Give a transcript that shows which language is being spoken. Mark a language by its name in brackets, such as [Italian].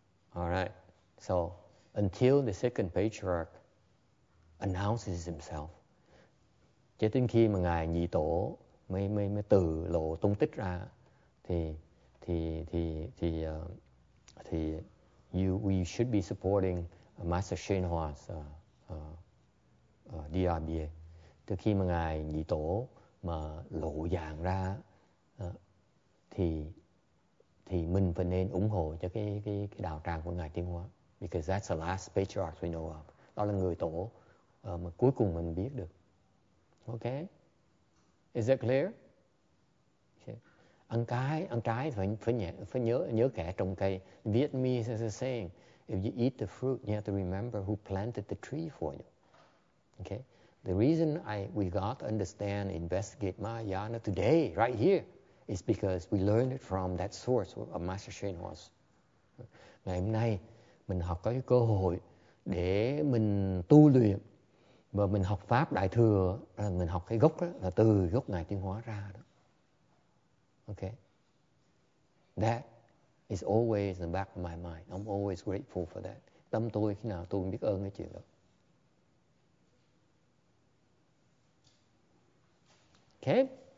[English] All right. So until the second patriarch announces himself, [Vietnamese] cho đến khi mà ngài nhị tổ mới từ lộ tung tích ra, thì [English] you should be supporting Master Shenhua's DRBA. [Vietnamese] Từ khi mà ngài nhị tổ mà lộ dạng ra thì mình phải nên ủng hộ cho cái đạo tràng của ngài Tiên Hóa. [English] Because that's the last patriarch we know of. [Vietnamese] Đó là người tổ mà cuối cùng mình biết được. [English] Okay? Is that clear? [Vietnamese] Ăn cái, ăn trái thì phải nhớ nhớ kẻ trồng cây. [English] Vietnamese is the saying, if you eat the fruit, you have to remember who planted the tree for you. Okay? The reason we got to understand, investigate Mahayana today, right here, is because we learned it from that source of Master Shenhua's. [Vietnamese] Ngày hôm nay, mình học có cái cơ hội để mình tu luyện và mình học Pháp Đại Thừa, mình học cái gốc đó, là từ gốc Ngài Tiên Hóa ra đó. [English] Okay. That is always in the back of my mind. I'm always grateful for that. [Vietnamese] Tâm tôi khi nào tôi cũng biết ơn cái chuyện đó. [English] Okay.